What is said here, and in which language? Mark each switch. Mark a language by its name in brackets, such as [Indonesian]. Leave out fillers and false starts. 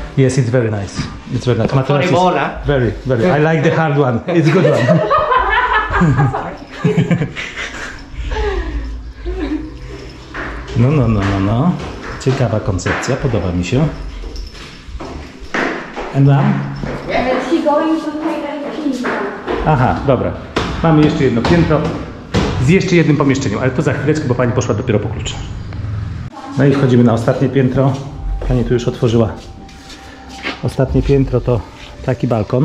[English] Yes, it's very nice. It's very nice. Materac is very, very. I like the hard one. It's good one. [Polish] No. Ciekawa koncepcja, podoba mi się. [English] And now? She's going to take a piece. [Polish] Aha, dobra. Mamy jeszcze jedno piętro z jeszcze jednym pomieszczeniem, ale to za chwileczkę, bo pani poszła dopiero po klucz. No i wchodzimy na ostatnie piętro. Pani tu już otworzyła. Ostatnie piętro to taki balkon.